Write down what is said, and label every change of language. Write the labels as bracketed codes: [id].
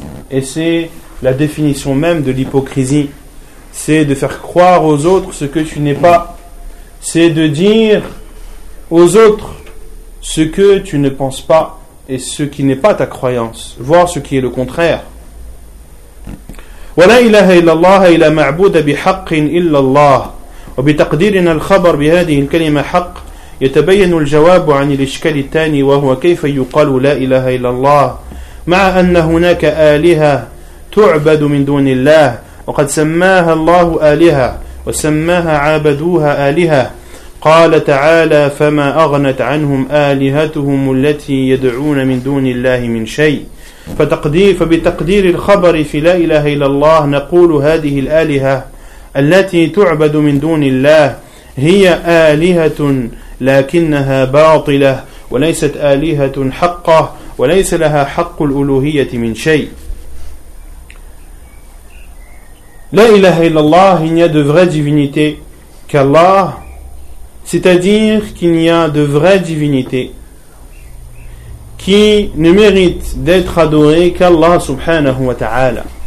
[fr] Et c'est la définition même de l'hypocrisie, c'est de faire croire aux autres ce que tu n'es pas, c'est de dire aux autres ce que tu ne penses pas et ce qui n'est pas ta croyance, voire ce qui est le contraire. [ar] Wa la ilaha illallah ila ma'buda bihaqqin illallah wa bitaqdirina al-khabar bihadhihi al-kalima haqq يتبين الجواب عن الإشكال الثاني وهو كيف يقال لا إله إلا الله مع أن هناك آلهة تعبد من دون الله وقد سماها الله آلهة وسماها عابدوها آلهة قال تعالى فما أغنت عنهم آلهتهم التي يدعون من دون الله من شيء فبتقدير الخبر في لا إله إلا الله نقول هذه الآلهة التي تعبد من دون الله هي آلهة لكنها باطلة وليست آلهة حقة وليس لها حق الألوهية من شيء. لا إله إلا الله, [fr] il n'y a de vraie divinité qu'Allah, c'est-à-dire qu'il n'y a de vraie divinité qui ne mérite d'être adorée qu'Allah subhanahu wa ta'ala.